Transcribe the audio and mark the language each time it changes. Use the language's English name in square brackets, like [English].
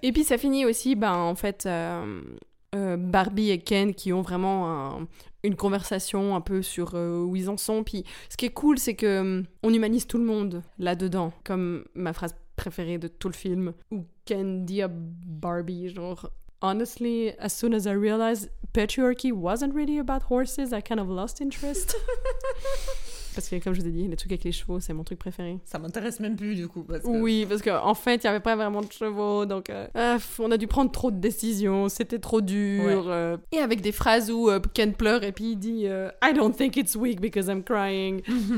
[French] Et puis ça finit aussi, en fait, Barbie et Ken qui ont vraiment une conversation un peu sur où ils en sont. Puis ce qui est cool, c'est qu'on humanise tout le monde là-dedans, comme ma phrase préférée de tout le film, où Ken dit à Barbie, genre, [English] honestly, as soon as I realized patriarchy wasn't really about horses, I kind of lost interest. [French] Parce que comme je vous ai dit, les trucs avec les chevaux, c'est mon truc préféré. Ça m'intéresse même plus du coup. Parce que... Oui, parce qu'en en fait, il n'y avait pas vraiment de chevaux. Donc, on a dû prendre trop de décisions. C'était trop dur. Ouais. Et avec des phrases où Ken pleure et puis il dit « [English] I don't think it's weak because I'm crying ».